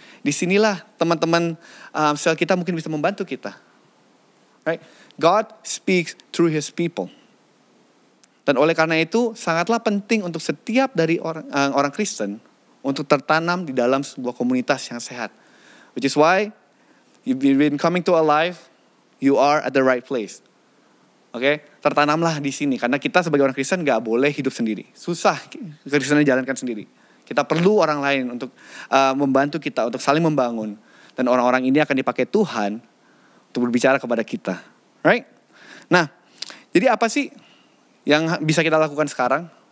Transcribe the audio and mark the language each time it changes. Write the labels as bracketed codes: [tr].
[id] Disinilah teman-teman sel kita mungkin bisa membantu kita. [en] God speaks through his people. [id] Dan oleh karena itu sangatlah penting untuk setiap dari orang Kristen untuk tertanam di dalam sebuah komunitas yang sehat. [en] Which is why you've been coming to Alive, you are at the right place. [id] Oke, okay? Tertanamlah di sini karena kita sebagai orang Kristen enggak boleh hidup sendiri. Susah Kristen jalankan sendiri. Kita perlu orang lain untuk membantu kita untuk saling membangun, dan orang-orang ini akan dipakai Tuhan untuk berbicara kepada kita. Right? Nah, jadi apa sih yang bisa kita lakukan sekarang?